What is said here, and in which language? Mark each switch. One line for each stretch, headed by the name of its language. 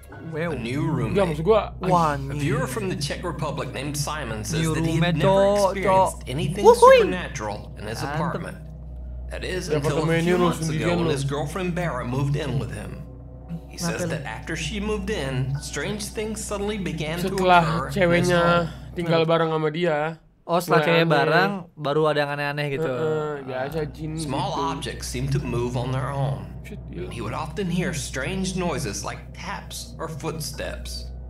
English: Well, a new roommate.
Indonesian: Ya, maksud gua,
English: a viewer from the Czech Republic named Simon says that he had never experienced anything supernatural in his apartment. That is until a few months ago when his girlfriend Bara moved in with him. He says that after she moved in, strange things suddenly began to occur.
Indonesian: Setelah ceweknya tinggal bareng sama dia. Oh, setelah ceweknya bareng, baru ada yang aneh-aneh gitu. Biasa jin.
English: Small objects seem to move on their own. He would often hear strange noises like taps or footsteps.